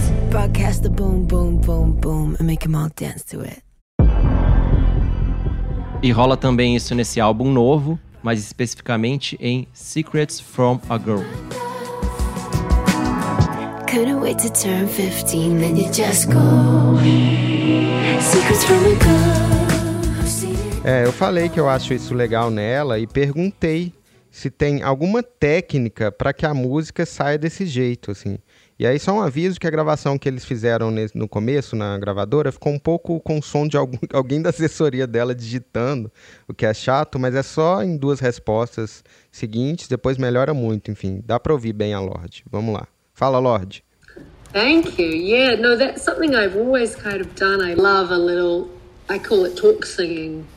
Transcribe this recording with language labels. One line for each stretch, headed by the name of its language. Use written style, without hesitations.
English: Broadcast the boom, boom, boom, boom, and make them all dance to it.
Portuguese: E rola também isso nesse álbum novo, mas especificamente em Secrets from a Girl.
English: Couldn't wait to turn 15, then you just go. Secrets from a girl.
Portuguese: É, eu falei que eu acho isso legal nela e perguntei se tem alguma técnica para que a música saia desse jeito, assim. E aí só um aviso que a gravação que eles fizeram no começo, na gravadora, ficou um pouco com o som de alguém da assessoria dela digitando, o que é chato, mas é só em duas respostas seguintes, depois melhora muito, enfim. Dá para ouvir bem a Lorde. Vamos lá. Fala, Lorde.
English: Thank you. Yeah, no, that's something I've always kind of done. I love a little, I call it talk singing.